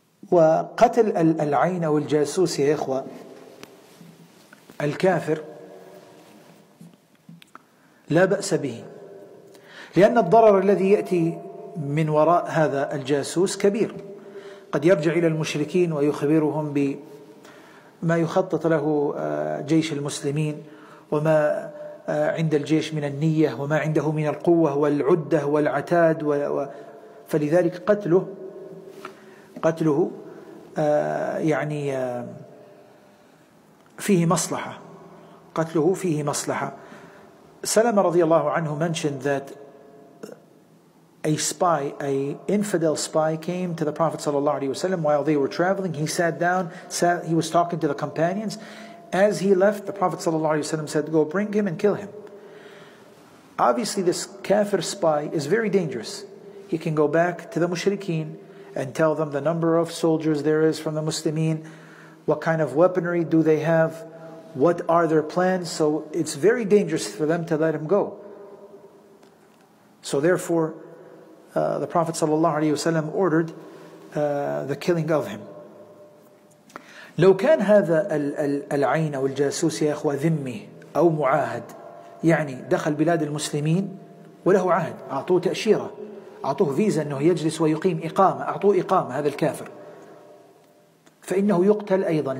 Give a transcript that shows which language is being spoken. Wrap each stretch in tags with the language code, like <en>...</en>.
<ar>وقتل العين أو الجاسوس يا إخوة الكافر لا بأس به، لأن الضرر الذي يأتي من وراء هذا الجاسوس كبير، قد يرجع إلى المشركين ويخبرهم بما يخطط له جيش المسلمين، وما عند الجيش من النية، وما عنده من القوة والعدة والعتاد. فلذلك قتله يعني فيه مصلحة، قتله فيه مصلحة.</ar> <en>سلمة</en> <ar>رضي الله عنه</ar> <en>mentioned that a spy, a infidel spy came to the Prophet sallallahu alaihi wasallam while they were traveling. He sat down, he was talking to the companions. As he left, the Prophet sallallahu alaihi wasallam said, "Go bring him and kill him." Obviously, this kafir spy is very dangerous. He can go back to the mushrikeen and tell them the number of soldiers there is from the Muslimin, what kind of weaponry do they have, what are their plans. So it's very dangerous for them to let him go. So therefore, the Prophet sallallahu alaihi wasallam ordered the killing of him.</en> <ar>لو كان هذا العين أو الجاسوس يا إخوة ذمي أو معاهد، يعني دخل بلاد المسلمين وله عهد، أعطوه تأشيرة، أعطوه فيزا أنه يجلس ويقيم إقامة، أعطوه إقامة هذا الكافر، فإنه يقتل أيضا.</ar>